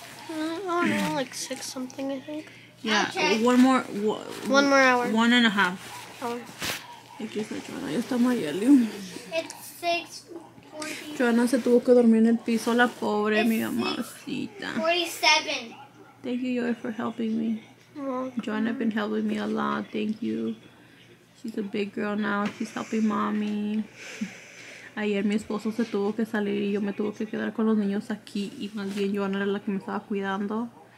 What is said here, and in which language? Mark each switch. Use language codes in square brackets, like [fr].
[en] I don't know, like 6 something, I think. Yeah, okay. One more hour. 1.5 hours. [es] Aquí está Joana, ya está Mayeli. [en] It's 6:40. [es] Joana se tuvo que dormir en el piso, la pobre, mi mamacita. 47. [en] Thank you, Joy, for helping me. Joana has been helping me a lot, thank you. She's a big girl now. She's helping mommy. [es] Ayer mi esposo se tuvo que salir y yo me tuve que quedar con los niños aquí. Y más bien, Joana era la que me estaba cuidando.